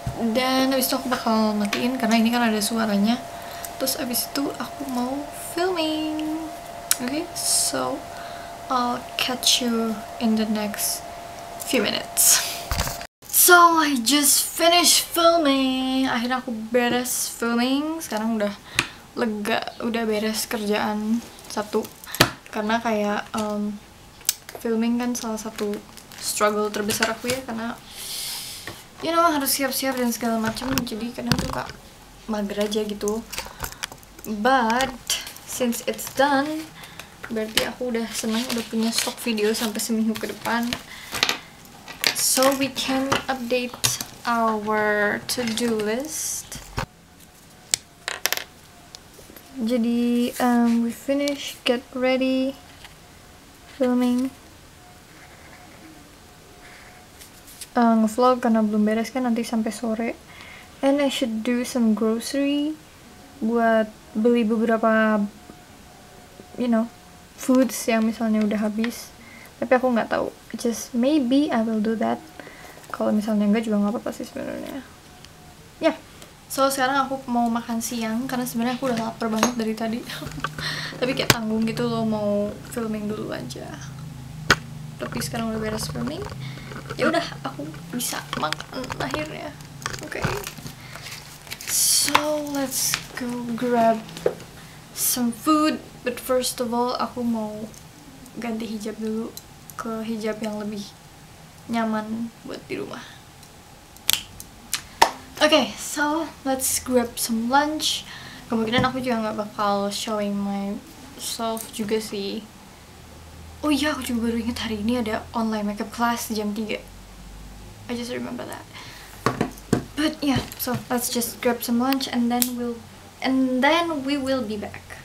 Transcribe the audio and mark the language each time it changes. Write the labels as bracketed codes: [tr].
[id] Dan abis itu aku bakal matiin karena ini kan ada suaranya. Terus abis itu aku mau filming. [en] Okay, so I'll catch you in the next few minutes. So I just finished filming. [id] Akhirnya aku beres filming. Sekarang udah lega, udah beres kerjaan satu. Karena kayak filming kan salah satu struggle terbesar aku ya. Karena you know harus siap-siap dan segala macam. Jadi kadang tuh kayak mager aja gitu. [en] But since it's done, [id] berarti aku udah senang, udah punya stok video sampai seminggu ke depan. [en] So we can update our to-do list. [id] Jadi [en] we finish, get ready, [id] filming, nge-vlog karena belum beres kan nanti sampai sore. [en] And I should do some grocery [id] buat beli beberapa, you know, foods yang misalnya udah habis. Tapi aku nggak tahu. [en] Just maybe I will do that. [id] Kalau misalnya enggak juga enggak apa-apa sih sebenarnya. Ya. Yeah. So sekarang aku mau makan siang karena sebenarnya aku udah lapar banget dari tadi. Tapi kayak tanggung gitu loh mau filming dulu aja. Tapi sekarang udah beres filming. Ya udah, aku bisa makan akhirnya. Oke. Okay. [en] So let's go grab some food. But first of all, [id] aku mau ganti hijab dulu ke hijab yang lebih nyaman buat di rumah. [en] Okay, so let's grab some lunch. [id] Kemungkinan aku juga gak bakal [en] showing myself [id] juga sih. Oh iya, aku juga baru inget hari ini ada online makeup class jam 3. [en] I just remember that. But yeah, so let's just grab some lunch and then we will be back.